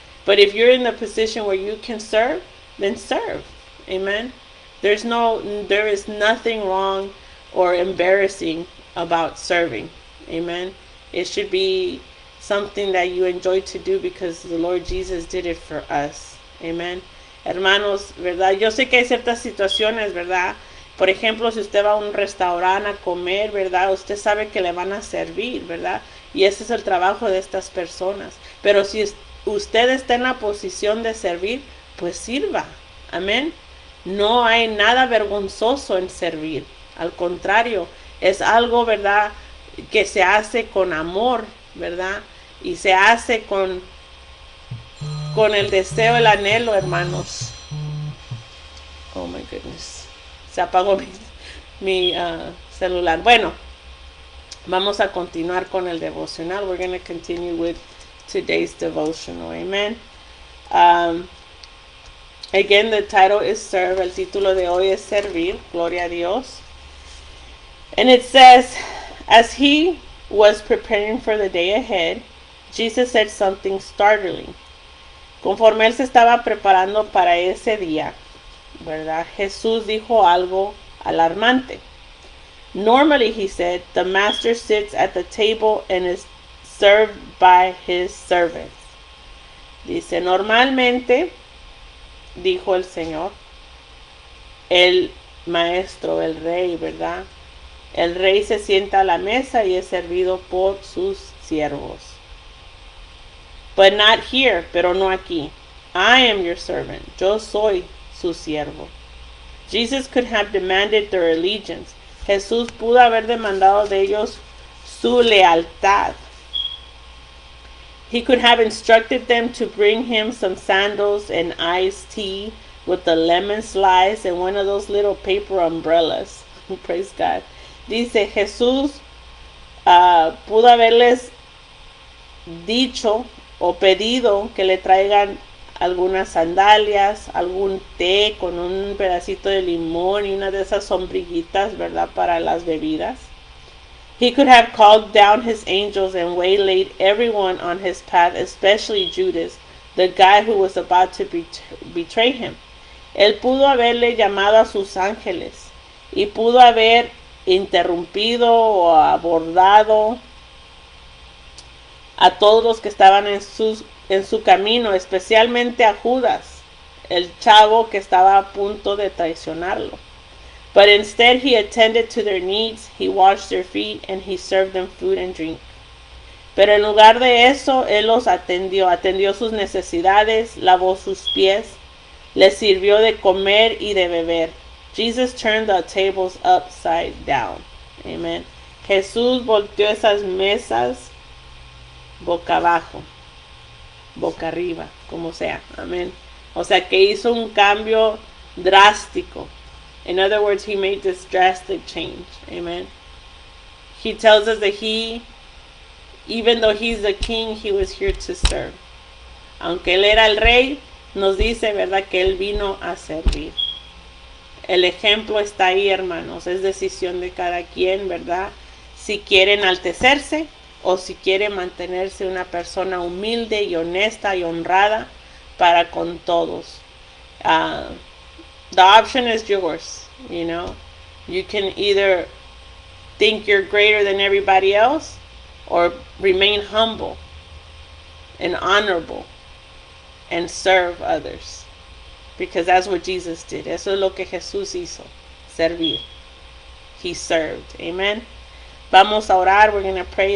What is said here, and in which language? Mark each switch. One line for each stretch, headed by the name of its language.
English: But if you're in the position where you can serve, then serve. Amen. There is nothing wrong or embarrassing about serving. Amen. It should be something that you enjoy to do because the Lord Jesus did it for us.
Spanish: Amen. Hermanos, ¿verdad? Yo sé que hay ciertas situaciones, ¿verdad? Por ejemplo, si usted va a un restaurante a comer, ¿verdad? Usted sabe que le van a servir, ¿verdad? Y ese es el trabajo de estas personas. Pero si usted está en la posición de servir, pues sirva. Amén. No hay nada vergonzoso en servir. Al contrario, es algo, ¿verdad?, que se hace con amor, ¿verdad? Y se hace con el deseo, el anhelo, hermanos.
English: Oh my goodness.
Spanish: Se apagó mi celular. Bueno, vamos a continuar con el devocional.
English: We're going to continue with today's devotional. Amen. Again, the title is Serve.
Spanish: El título de hoy es Servir. Gloria a Dios.
English: And it says, as he was preparing for the day ahead, Jesus said something startling.
Spanish: Conforme él se estaba preparando para ese día, ¿verdad? Jesús dijo algo alarmante.
English: Normally, he said, the master sits at the table and is served by his servants.
Spanish: Dice, normalmente, dijo el Señor, el maestro, el rey, ¿verdad? El rey se sienta a la mesa y es servido por sus siervos.
English: But not here,
Spanish: pero no aquí.
English: I am your servant.
Spanish: Yo soy su siervo.
English: Jesus could have demanded their allegiance.
Spanish: Jesús pudo haber demandado de ellos su lealtad.
English: He could have instructed them to bring him some sandals and iced tea with a lemon slice and one of those little paper umbrellas. Praise God.
Spanish: Dice, Jesús pudo haberles dicho o pedido que le traigan algunas sandalias, algún té con un pedacito de limón y una de esas sombrillitas, ¿verdad? Para las bebidas.
English: He could have called down his angels and waylaid everyone on his path, especially Judas, the guy who was about to betray him.
Spanish: Él pudo haberle llamado a sus ángeles y pudo haber interrumpido o abordado a todos los que estaban en su camino, especialmente a Judas, el chavo que estaba a punto de traicionarlo.
English: But instead he attended to their needs, he washed their feet, and he served them food and drink.
Spanish: Pero en lugar de eso, él los atendió, atendió sus necesidades, lavó sus pies, les sirvió de comer y de beber.
English: Jesus turned the tables upside down. Amen.
Spanish: Jesús volteó esas mesas boca abajo, boca arriba, como sea. Amén. O sea que hizo un cambio drástico.
English: In other words, he made this drastic change. Amen. He tells us that he, even though he's the king, he was here to serve.
Spanish: Aunque él era el rey, nos dice, ¿verdad?, que él vino a servir. El ejemplo está ahí, hermanos. Es decisión de cada quien, ¿verdad? Si quiere enaltecerse o si quiere mantenerse una persona humilde y honesta y honrada para con todos.
English: The option is yours, you know. You can either think you're greater than everybody else or remain humble and honorable and serve others. Because that's what Jesus did.
Spanish: Eso es lo que Jesús hizo, servir.
English: He served. Amen.
Spanish: Vamos a orar.
English: We're going to pray.